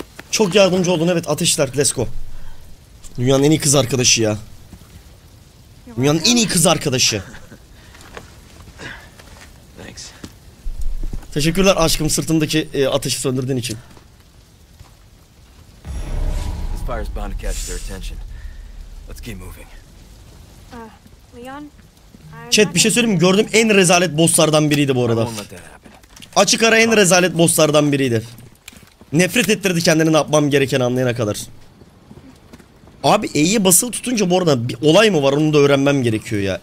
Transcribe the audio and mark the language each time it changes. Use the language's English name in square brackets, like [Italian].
[Turkish] Çok yardımcı oldun evet ateşler [English] let's go. [Turkish] Dünyanın en iyi kız arkadaşı ya. Dünyanın en iyi kız arkadaşı. [English] Thanks. [Turkish] Teşekkürler aşkım sırtımdaki ateşi söndürdüğün için. [English] This fire is bound to catch their attention. Let's keep moving. Leon, [Turkish] Chat bir şey söyleyeyim mi? Gördüğüm en rezalet bosslardan biriydi bu arada. Açık ara en rezalet bosslardan biriydi. Nefret ettirdi kendini ne yapmam gereken anlayana kadar. Abi E'ye basılı tutunca bu arada bir olay mı var onu da öğrenmem gerekiyor ya.